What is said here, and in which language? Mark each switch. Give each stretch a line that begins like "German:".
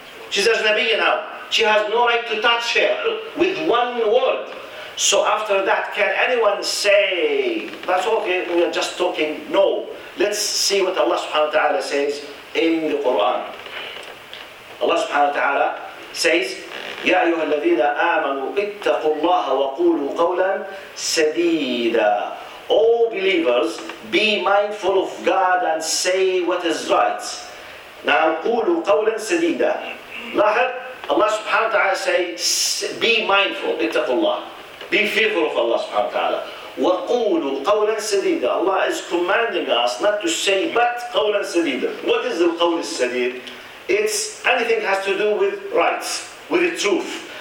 English: She's أجنبية now. She has no right to touch her with one word. So after that, can anyone say that's okay? We are just talking. No. Let's see what Allah Subhanahu wa Taala says in the Quran.
Arabic: Allah Subhanahu wa Taala says, يا أيها الذين آمنوا اتقوا الله وقولوا قولا سديدا.
English: All believers, be mindful of God and say what is right. Now,
Arabic: قولوا قولا سديدا. لاحظ,
English: Allah subhanahu wa ta'ala say, be mindful,
Arabic: اتقوا الله.
English: Be fearful of Allah subhanahu wa ta'ala.
Arabic: وقولوا قولا سديدا.
English: Allah is commanding us not to say, but
Arabic: قولا سديدا.
English: What is the
Arabic: قول السديد?
English: It's anything has to do with rights, with the truth.